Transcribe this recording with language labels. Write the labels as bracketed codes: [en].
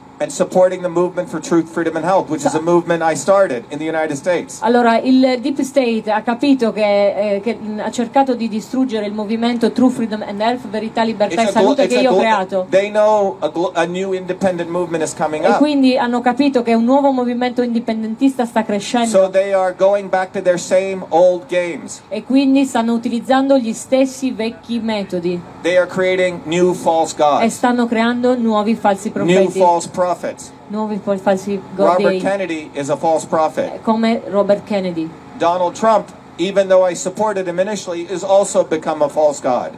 [en] And supporting the movement for truth, freedom, and health, which is a movement I started in the United States. [it] Allora, il Deep State ha capito che ha cercato di distruggere il movimento True Freedom and Health, verità, libertà e salute che io ho creato. [en] They know a new independent movement is coming up. [it] E quindi hanno capito che un nuovo movimento indipendentista sta crescendo. [en] So they are going back to their same old games. [it] E quindi stanno utilizzando gli stessi vecchi metodi. [en] They are creating new false gods. [it] E stanno creando nuovi falsi profeti. [en] New false prophets. [it] Nuovi falsi [en] godi. Robert Kennedy is a false prophet. [it] Come Robert Kennedy. [en] Donald Trump, even though I supported him initially, is also become a false god.